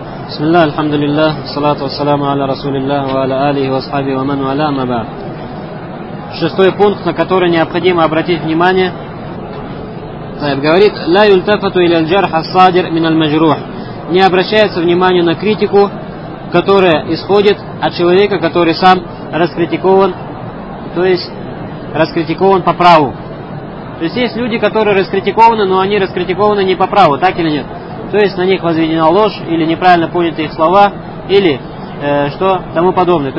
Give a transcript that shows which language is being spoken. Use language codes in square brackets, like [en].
[ar] بسم الله الحمد لله والصلاة والسلام على رسول الله وعلى آله وصحبه ومن والاه ما بعد. [ru] Шестой пункт, на который необходимо обратить внимание. Тайб говорит: [ar] لا يلتفت إلى الجرح الصادر من المجروح. [ru] Не обращается внимание на критику, которая исходит от человека, который сам раскритикован, то есть раскритикован по праву. То есть есть люди, которые раскритикованы, но они раскритикованы не по праву, так или нет? То есть на них возведена ложь, или неправильно поняты их слова, или что тому подобное.